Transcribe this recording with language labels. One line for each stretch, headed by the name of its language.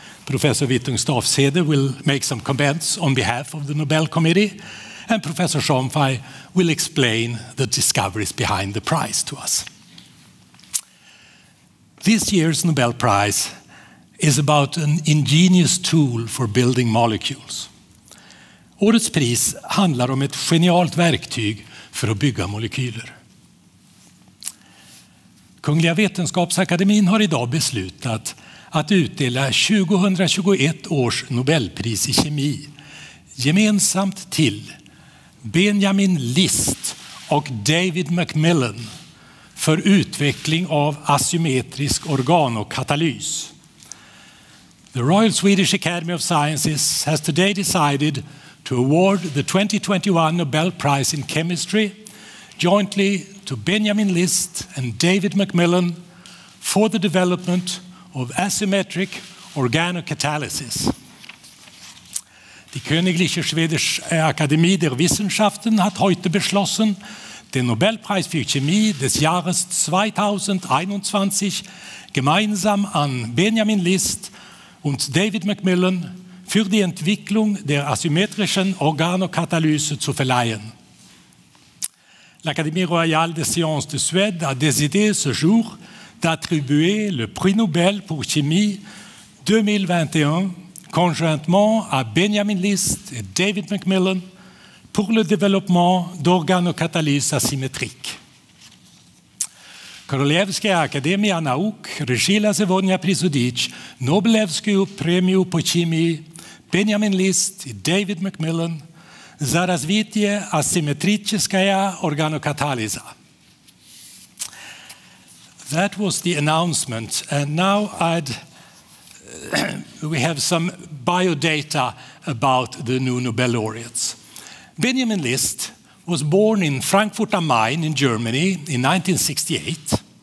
English: Professor Wittung Stavsede will make some comments on behalf of the Nobel Committee, and Professor Schomfei will explain the discoveries behind the prize to us. This year's Nobel Prize is about an ingenious tool for building molecules.
Swedish: Årets pris handlar om ett genialt verktyg för att bygga molekyler. Kungliga Vetenskapsakademin har idag beslutat att utdela 2021 års Nobelpris i kemi gemensamt till Benjamin List och David McMillan för utveckling av asymmetrisk organokatalys.
English: The Royal Swedish Academy of Sciences has today decided to award the 2021 Nobel Prize in Chemistry jointly to Benjamin List and David McMillan for the development of asymmetric organocatalysis.
German: Die Königlich-Schwedische Akademie der Wissenschaften hat heute beschlossen, den Nobelpreis für Chemie des Jahres 2021 gemeinsam an Benjamin List und David McMillan für die Entwicklung der asymmetrischen Organokatalyse zu verleihen.
French: L'Académie royale des sciences de Suède a décidé ce jour d'attribuer le prix Nobel pour chimie 2021 conjointement à Benjamin List et David McMillan pour le développement d'organokatalyse asymétrique.
Russian: Королевская академия наук решила сегодня присудить Нобелевскую премию по химии Бенямин Лист и Дэвид Макмиллан за развитие асимметрической органокатализа.
English: That was the announcement, and now we have some biodata about the new Nobel laureates. Бенямин Лист was born in Frankfurt am Main in Germany in 1968.